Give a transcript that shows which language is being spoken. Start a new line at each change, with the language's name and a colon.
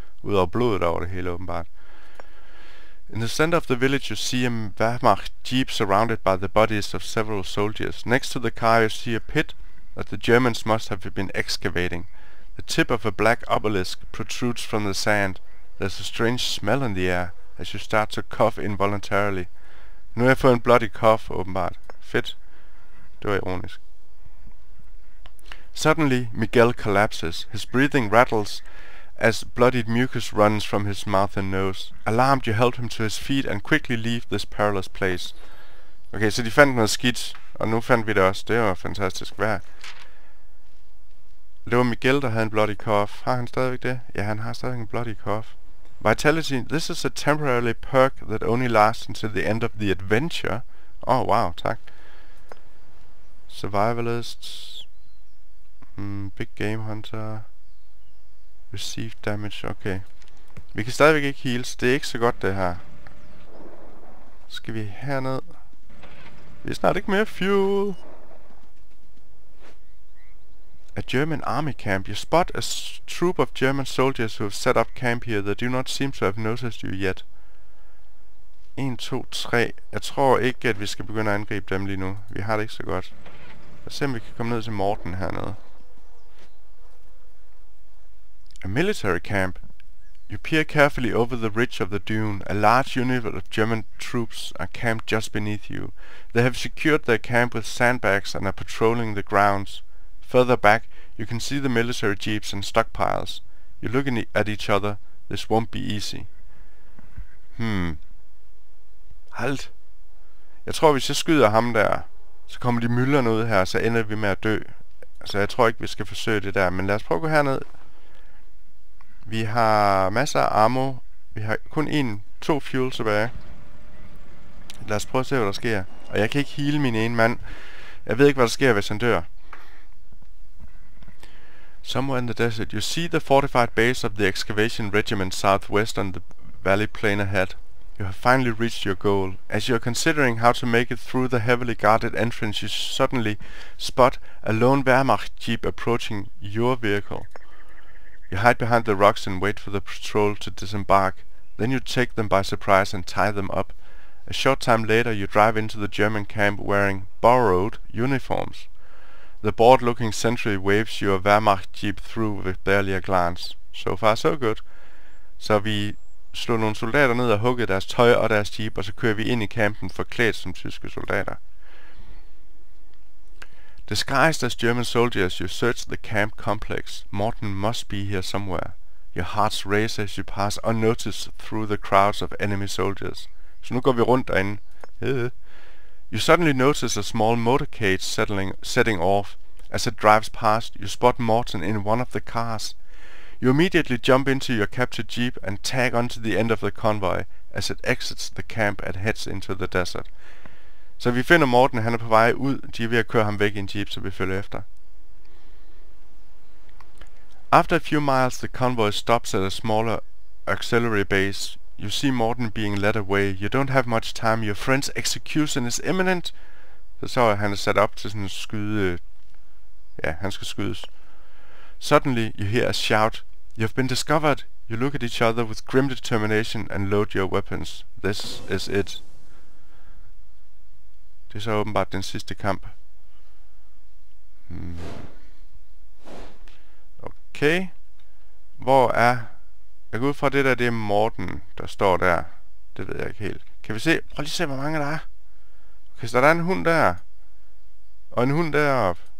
Danish: Udover blodet over det hele, åbenbart.
English: In the center of the village, you see a Wehrmacht jeep surrounded by the bodies of several soldiers. Next to the car, you see a pit that the Germans must have been excavating. The tip of a black obelisk protrudes from the sand. There's a strange smell in the air as you start to cough involuntarily.
Danish: Nu har jeg fået en bloody cough, åbenbart. Fedt. Det var ironisk.
English: Suddenly, Miguel collapses. His breathing rattles as bloodied mucus runs from his mouth and nose. Alarmed, you help him to his feet and quickly leave this perilous place.
Danish: Okay, så de fandt noget skidt, og nu fandt vi det også. Det var fantastisk vejr. Det var Miguel, der havde en bloody cough. Har han stadigvæk det? Ja, han har stadigvæk en bloody cough.
English: Vitality. This is a temporary perk that only lasts until the end of the adventure. Oh, wow, tak. Survivalists. Big Game Hunter. Received damage. Okay.
Danish: Vi kan stadigvæk ikke heals. Det er ikke så godt, det her. Skal vi herned? Vi er snart ikke mere fuel.
English: A German army camp. You spot a troop of German soldiers who have set up camp here. They do not seem to have noticed you yet. 1, 2, 3.
Danish: Jeg tror ikke, at vi skal begynde at angribe dem lige nu. Vi har det ikke så godt. Lad os se, om vi kan komme ned til Morten hernede.
English: A military camp. You peer carefully over the ridge of the dune. A large unit of German troops are camped just beneath you. They have secured their camp with sandbags and are patrolling the grounds. Further back, you can see the military jeeps and stockpiles. You look at each other. This won't be easy. Halt.
Danish: Jeg tror, hvis jeg skyder ham der, så kommer de myldrene ud her, så ender vi med at dø. Så jeg tror ikke, vi skal forsøge det der. Men lad os prøve at gå herned. Vi har masser af ammo. Vi har kun to fuel tilbage. Lad os prøve at se, hvad der sker. Og jeg kan ikke heal min ene mand. Jeg ved ikke, hvad der sker, hvis han dør.
English: Somewhere in the desert, you see the fortified base of the excavation regiment southwest on the valley plain ahead. You have finally reached your goal. As you are considering how to make it through the heavily guarded entrance, you suddenly spot a lone Wehrmacht jeep approaching your vehicle. You hide behind the rocks and wait for the patrol to disembark. Then you take them by surprise and tie them up. A short time later, you drive into the German camp wearing borrowed uniforms. The bored-looking sentry waves your Wehrmacht jeep through with barely a glance. So far, so good.
Danish: Så vi slog nogle soldater ned og huggede deres tøj og deres jeep, og så kører vi ind i kampen forklædt som tyske soldater.
English: Disguised as German soldiers, you search the camp complex. Morten must be here somewhere. Your hearts race as you pass unnoticed through the crowds of enemy soldiers.
Danish: Så nu går vi rundt derinde.
English: You suddenly notice a small motorcade setting off. As it drives past, you spot Morten in one of the cars. You immediately jump into your captured jeep and tag onto the end of the convoy as it exits the camp and heads into the desert.
Danish: Så vi finder Morten, han er på vej ud. De er ved at køre ham væk i en jeep, så vi følger efter.
English: After a few miles, the convoy stops at a smaller auxiliary base. You see Morten being led away. You don't have much time. Your friend's execution is imminent.
Danish: Så han er sat op til sådan en skyde. Ja, han skal skydes.
English: Suddenly, you hear a shout. You've been discovered. You look at each other with grim determination and load your weapons. This is it.
Danish: Det er så åbenbart den sidste kamp. Okay. Hvor er... Jeg går ud fra det der, det er Morten, der står der. Det ved jeg ikke helt. Kan vi se? Prøv lige at se, hvor mange der er. Okay, så der er en hund der. Og en hund deroppe.